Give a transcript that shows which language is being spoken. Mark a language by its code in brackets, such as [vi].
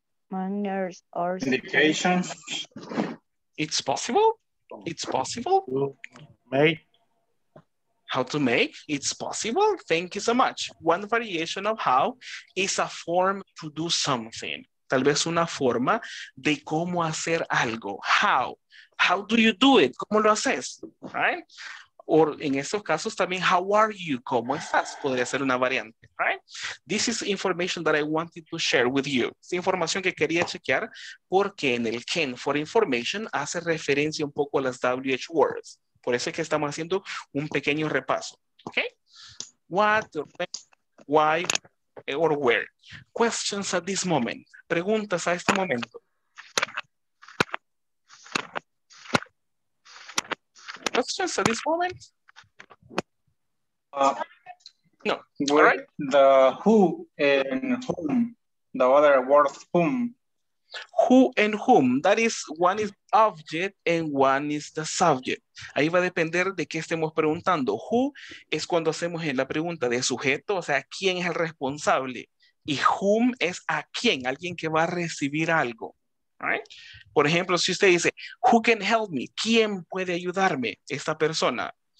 [en] Manners or indications. It's possible. It's possible. How to make? It's possible. Thank you so much. One variation of how is a form to do something. [es] Tal vez una forma de cómo hacer algo. [en] How? How do you do it? [es] ¿Cómo lo haces? [en] Right? [es] Or in estos casos también, [en] how are you? [es] ¿Cómo estás? Podría ser una variante. Right? [en] This is information that I wanted to share with you. [es] Es información que quería chequear porque en el can for information hace referencia un poco a las WH words. Por eso es que estamos haciendo un pequeño repaso. [en] Okay? What, why, or where? Questions at this moment. [es] Preguntas a este momento. [en] questions at this moment? No. All right. The who and whom. The other word, whom. Who and whom. That is, one is object and one is the subject. [es] Ahí va a depender de qué estemos preguntando. Who es cuando hacemos en la pregunta de sujeto, o sea, quién es el responsable. Y whom es a quién, alguien que va a recibir algo. Right? Por ejemplo, si usted dice, [en] who can help me? [es] ¿Quién puede ayudarme? Esta persona.